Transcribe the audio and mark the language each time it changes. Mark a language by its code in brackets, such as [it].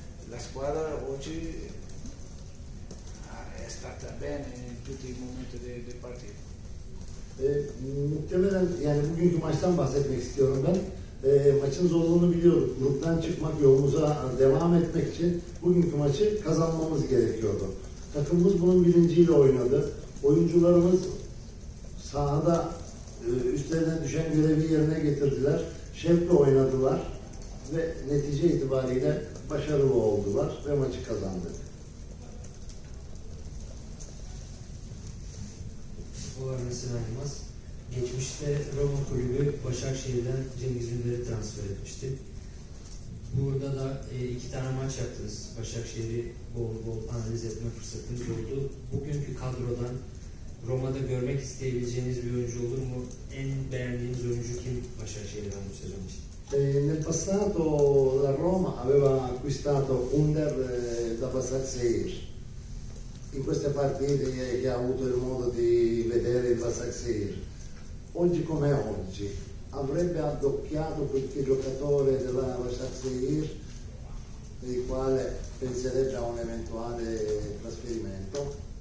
[it] La squadra oggi è stata bene in tutti i momenti del partito. [tr] Muhtemelen yani bugünkü maçtan bahsetmek istiyorum ben. Maçın zorluğunu biliyorduk. Gruptan çıkmak, yolumuza devam etmek için bugünkü maçı kazanmamız gerekiyordu. Takımımız bunun bilinciyle oynadı. Oyuncularımız sahada üstlerine düşen görevi yerine getirdiler. Şevkle oynadılar ve netice itibariyle başarılı oldular ve maçı kazandık. Olar Mesela Yılmaz. Geçmişte Roma Kulübü Başakşehir'den Cengiz Ünder'i transfer etmişti. Burada da iki tane maç yaptınız. Başakşehir'i bol bol analiz etme fırsatınız oldu. Bugünkü kadrodan Roma'da görmek isteyebileceğiniz bir oyuncu olur mu? En beğendiğiniz oyuncu kim Başakşehir'den bu sezon için? [it] Nel passato la Roma aveva acquistato Ünder da Başakşehir. In queste partite che ha avuto il modo di vedere il Başakşehir. Oggi come oggi, avrebbe addocchiato qualche giocatore della Başakşehir, il quale penserebbe a un eventuale trasferimento?